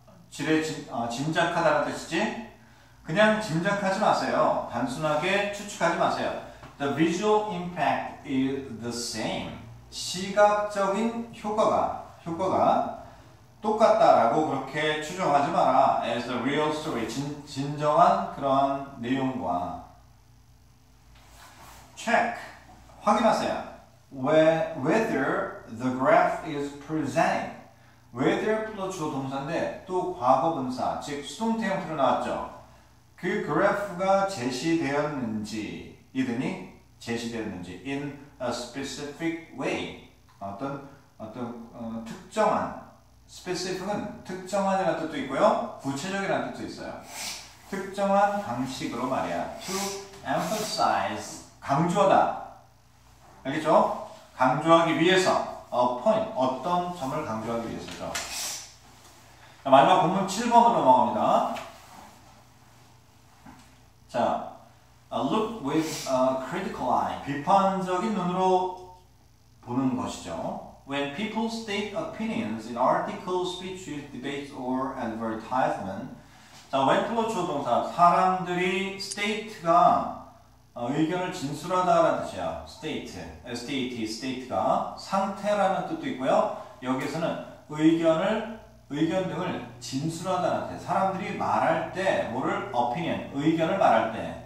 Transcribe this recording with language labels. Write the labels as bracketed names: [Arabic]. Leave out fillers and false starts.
[Korean] 지레 짐작하다라는 뜻이지. 그냥 짐작하지 마세요. 단순하게 추측하지 마세요. [English] The visual impact is the same. [Korean] 시각적인 효과가 똑같다라고 그렇게 추정하지 마라. [English] As the real story, [Korean] 진정한 그러한 내용과 check, 확인하세요. [English] Whether the graph is presenting, [Korean] whether 플러 주어 동사인데 또 과거분사, 즉 수동태 형태로 나왔죠. 그 graph가 제시되었는지, 이더니 제시되었는지 [English] in a specific way, [Korean] 어떤 특정한 specific은 특정한이라는 뜻도 있고요. 구체적이라는 뜻도 있어요. 특정한 방식으로 말이야. [English] To emphasize. [Korean] 강조하다. 알겠죠? 강조하기 위해서. [English] A point. [Korean] 어떤 점을 강조하기 위해서죠. 자, 마지막 본문 7번으로 넘어갑니다. [English] 자, look with a critical eye. [Korean] 비판적인 눈으로 보는 것이죠. [English] When people state opinions in articles, speeches, debates, or advertisement. [Korean] 자, when 플러 주어 동사. 사람들이 state가 의견을 진술하다라는 뜻이야. state, s-t-a-t, state가 상태라는 뜻도 있고요. 여기에서는 의견 등을 진술하다라는 뜻. 사람들이 말할 때, 뭐를 opinion, 의견을 말할 때.